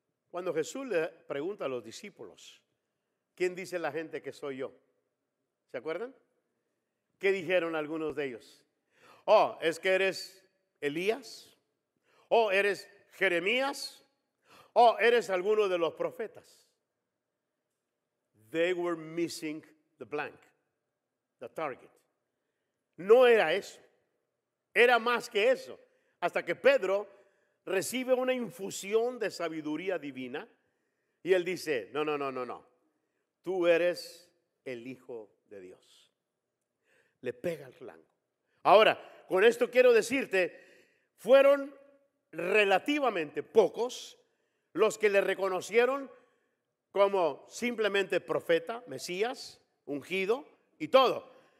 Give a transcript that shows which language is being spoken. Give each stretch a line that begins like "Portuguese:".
Spanish: Cuando Jesús le pregunta a los discípulos, ¿quién dice la gente que soy yo? ¿Se acuerdan? ¿Qué dijeron algunos de ellos? Oh, es que eres Elías. Oh, eres Jeremías. Oh, eres alguno de los profetas.
English: They were missing the blank, the target.
Spanish: No era eso. Era más que eso. Hasta que Pedro recibe una infusión de sabiduría divina y él dice, no. Tú eres el Hijo de Dios. Le pega el blanco. Ahora, con esto quiero decirte, fueron relativamente pocos los que le reconocieron como simplemente profeta, Mesías, ungido y todo.